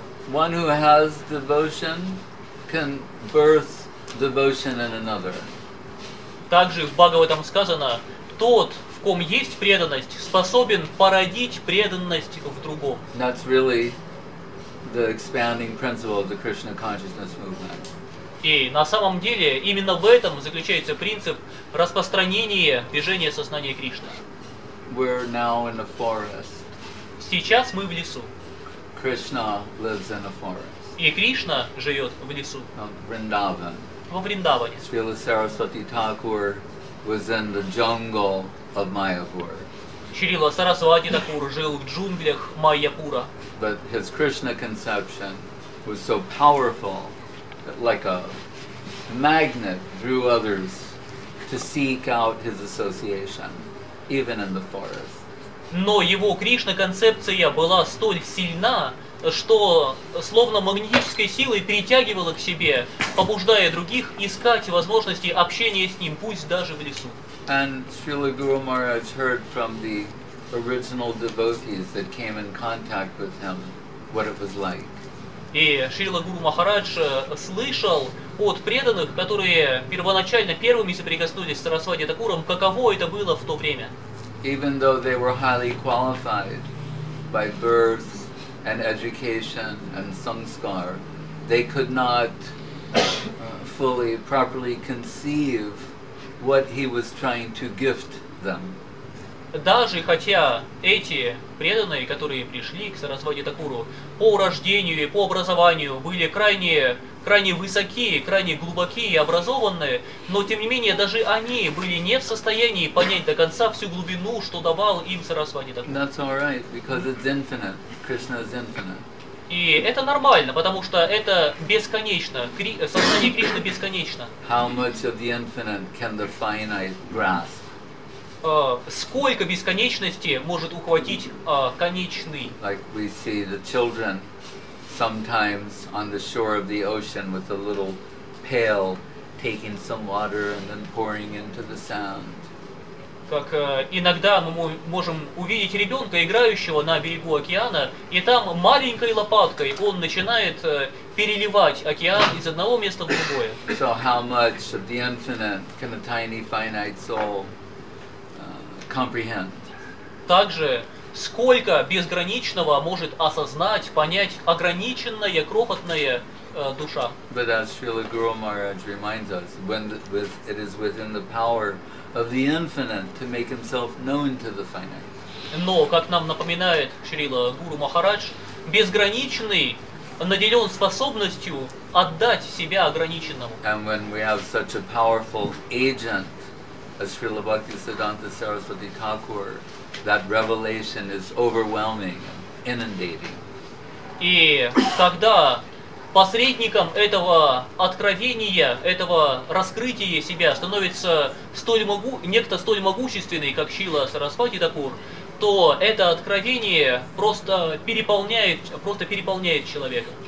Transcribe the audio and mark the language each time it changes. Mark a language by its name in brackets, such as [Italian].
[English] One who has devotion can birth devotion in another. [Russian] Также в Бхагаватам сказано, тот, в ком есть преданность, способен породить преданность в другом. [English] That's really the expanding principle of the Krishna consciousness movement. [Russian] И на самом деле именно в этом заключается принцип распространения движения сознания Кришны. [English] We're now in a forest. [Russian] Сейчас мы в лесу. [English] Krishna lives in a forest. [Russian] И Кришна живет в лесу. [English] Vrindavan. [Russian] Во Вриндаване. [English] Шрила Сарасвати Такур was in the jungle of Майяпур. [Russian] Шрила Сарасвати Такур жил в джунглях Майяпура. [English] But his Krishna conception was so powerful that like a magnet drew others to seek out his association, even in the forest. [Russian] Но его Кришна концепция была столь сильна, что словно магнетической силой притягивало к себе, побуждая других искать возможности общения с ним, пусть даже в лесу. [English] And Srila Guru Maharaj heard from the original devotees that came in contact with him what it was like. [Russian] И Шрила Гуру Махарадж слышал от преданных, которые первоначально первыми соприкоснулись с Сарасвати Такуром, каково это было в то время. [English] Even though they were highly qualified by birth and education and samskar, they could not fully, properly conceive what he was trying to gift them. [Russian] Даже хотя эти преданные, которые пришли к Сарасвати Такуру, по рождению и по образованию были крайне высокие, крайне глубокие и образованные, но тем не менее даже они были не в состоянии понять до конца всю глубину, что давал им Сарасвати Такуру. [English] That's all right, because it's infinite. Krishna is infinite. [Russian] И это нормально, потому что это бесконечно. Сознание Кришны бесконечно. [English] How much of the infinite can the finite grasp? [Russian] Сколько бесконечности может ухватить конечный? [English] Like we see the children sometimes on the shore of the ocean with a little pail taking some water and then pouring into the sand. [Russian] Как иногда мы можем увидеть ребенка, играющего на берегу океана, и там маленькой лопаткой он начинает переливать океан из одного места в другое. [English] So how much of the infinite can a tiny finite soul comprehend? [Russian] Также, сколько безграничного может осознать, понять ограниченная, крохотная душа? [English] But as Srila Guru Maharaj reminds us, it is within the power of the infinite to make himself known to the finite. [Russian] Но, как нам напоминает Шрила Гуру Махарадж, безграничный наделен способностью отдать себя ограниченному. [English] And when we have such a powerful agent, as Srila Bhakti Siddhanta Saraswati Thakur, that revelation is overwhelming, inundating. [Russian] И когда посредником этого откровения, этого раскрытия себя становится некто столь могущественный, как Шрила Сарасвати Такур, то это откровение просто переполняет человека.